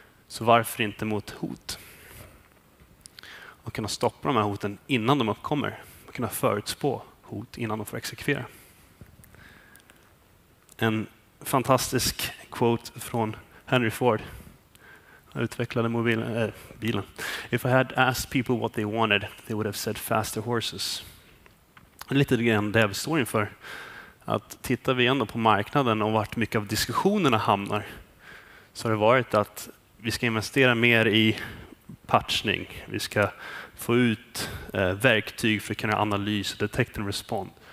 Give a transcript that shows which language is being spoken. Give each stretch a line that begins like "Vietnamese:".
Swedish: Så varför inte mot hot? Och kunna stoppa de här hoten innan de uppkommer. Och kunna förutspå hot innan de får exekvera. En fantastisk quote från Henry Ford. Utvecklade bilen.
English: If I had asked people what they wanted, they would have said faster horses.
Swedish: Lite grann det vi står inför. Att tittar vi ändå på marknaden och vart mycket av diskussionerna hamnar så har det varit att vi ska investera mer i patchning. Vi ska få ut verktyg för att kunna analys,
English: detect and respond.